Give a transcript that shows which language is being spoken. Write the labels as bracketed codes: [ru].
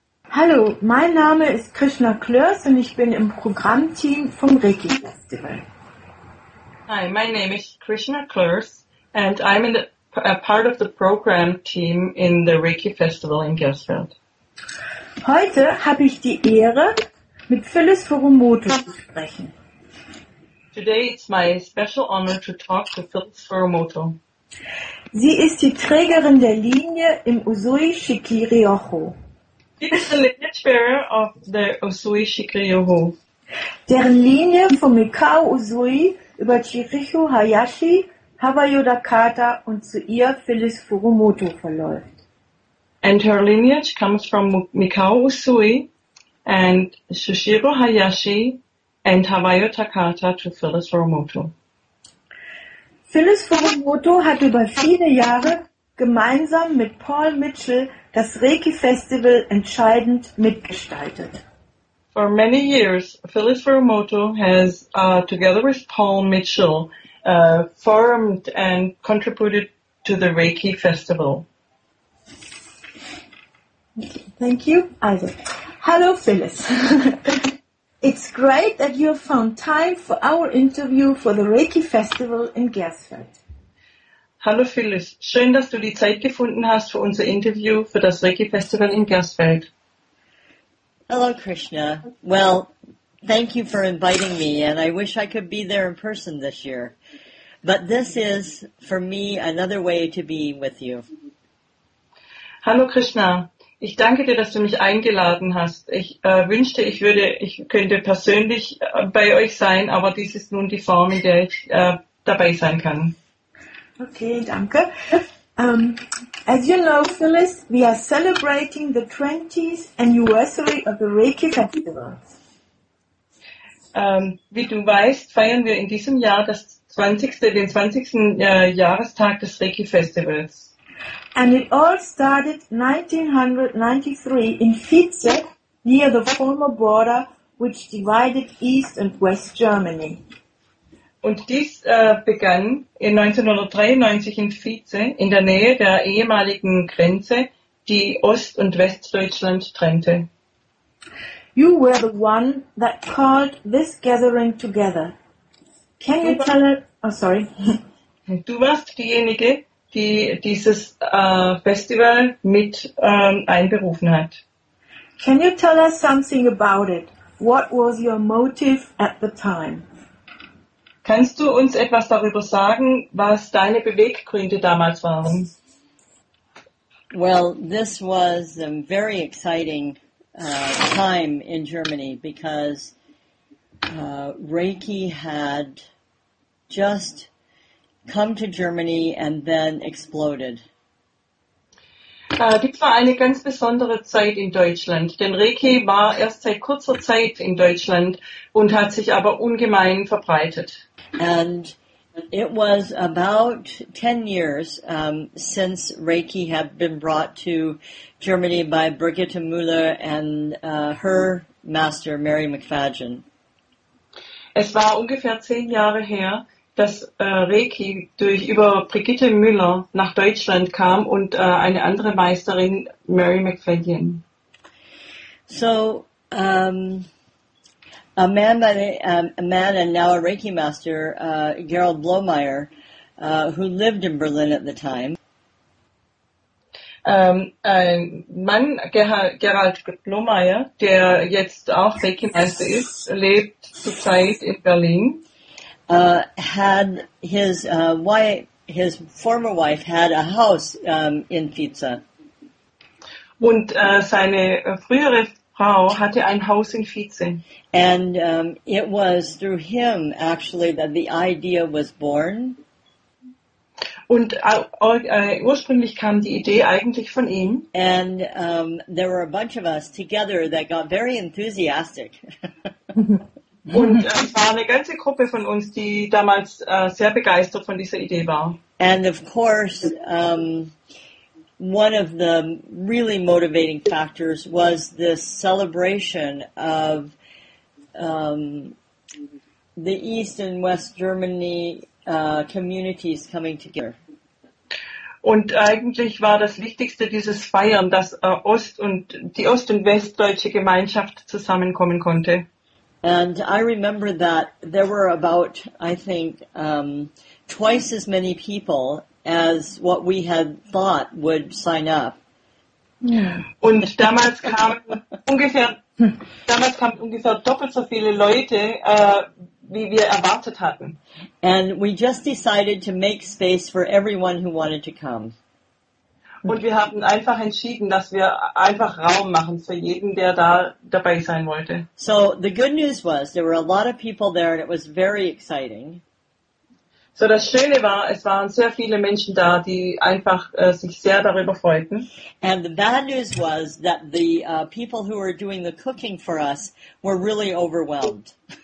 [de] Hallo, mein Name ist Krishna Klörs und ich bin im Programmteam vom Reiki Festival. [en] Hi, my name is Krishna Klörs and I'm in a part of the program team in the Reiki Festival in Gersfeld. [de] Heute habe ich die Ehre, mit Phyllis Furumoto zu sprechen. [en] Today it's my special honor to talk to Phyllis Furumoto. [de] Sie ist die Trägerin der Linie im Usui Shiki Ryoho. [en] She is the lineage bearer of the Usui Shiki Ryoho. [de] Deren Linie von Mikao Usui über Chirichu Hayashi, Hawayoda Kata und zu ihr Phyllis Furumoto verläuft. [en] And her lineage comes from Mikao Usui and Shushiro Hayashi and Hawayoda Kata to Phyllis Furumoto. [de] Phyllis Furumoto hat über viele Jahre gemeinsam mit Paul Mitchell das Reiki-Festival entscheidend mitgestaltet. [en] For many years, Phyllis Furumoto has, together with Paul Mitchell, formed and contributed to the Reiki Festival. Thank you. [de] Also, hallo [en] Phyllis. It's great that you have found time for our interview for the Reiki Festival in Gersfeld. [de] Hallo Phyllis, schön, dass du die Zeit gefunden hast für unser Interview für das Reiki Festival in Gersfeld. [en] Hello Krishna. Well, thank you for inviting me and I wish I could be there in person this year. But this is for me another way to be with you. [de] Hallo Krishna, ich danke dir, dass du mich eingeladen hast. Ich wünschte, ich könnte persönlich bei euch sein, aber dies ist nun die Form, in der ich dabei sein kann. Okay, danke. [en] As you know, Phyllis, we are celebrating the 20th anniversary of the Reiki Festival. [de] Wie du weißt, feiern wir in diesem Jahr den 20. Jahrestag des Reiki Festivals. [en] And it all started 1993 in Fietze, near the former border which divided East and West Germany. [de] Und dies begann in 1993 in Fietze, in der Nähe der ehemaligen Grenze, die Ost- und Westdeutschland trennte. [en] You were the one that called this gathering together. Can you tell it? Oh, sorry. [de] Du warst diejenige, die dieses Festival mit einberufen hat. [en] Can you tell us something about it? What was your motive at the time? [de] Kannst du uns etwas darüber sagen, was deine Beweggründe damals waren? [en] Well, this was a very exciting time in Germany because Reiki had just come to Germany and then exploded. [de] Dies war eine ganz besondere Zeit in Deutschland, denn Reiki war erst seit kurzer Zeit in Deutschland und hat sich aber ungemein verbreitet. [en] And it was about 10 years since Reiki had been brought to Germany by Brigitte Müller and her master Mary McFadgen. [de] Es war ungefähr 10 Jahre her, dass Reiki über Brigitte Müller nach Deutschland kam und eine andere Meisterin, Mary McFadgen. [en] So, a man and now a Reiki master, Gerald Blomeyer, who lived in Berlin at the time. [de] Ein Mann, Gerald Blomeyer, der jetzt auch Reiki Meister ist, lebt zurzeit in Berlin. [en] Had his wife, his former wife, had a house in Fietze. [de] Und seine frühere Frau hatte ein Haus in Fietze. [en] And it was through him, actually, that the idea was born. [de] Und ursprünglich kam die Idee eigentlich von ihm. [en] And there were a bunch of us together that got very enthusiastic. [de] Und es war eine ganze Gruppe von uns, die damals sehr begeistert von dieser Idee war. [en] And of course, one of the really motivating factors was this celebration of the East and West Germany communities coming together. [de] Und eigentlich war das Wichtigste dieses Feiern, dass die Ost- und Westdeutsche Gemeinschaft zusammenkommen konnte. [en] And I remember that there were about, I think, twice as many people as what we had thought would sign up. [de] Und damals kamen ungefähr doppelt so viele Leute, wie wir erwartet hatten. [en] And we just decided to make space for everyone who wanted to come. [de] Und wir haben einfach entschieden, dass wir einfach Raum machen für jeden, der da dabei sein wollte. [en] So the good news was, there were a lot of people there and it was very exciting. [de] So das Schöne war, es waren sehr viele Menschen da, die einfach sich sehr darüber freuten. [en] And the bad news was that the people who were doing the cooking for us were really overwhelmed.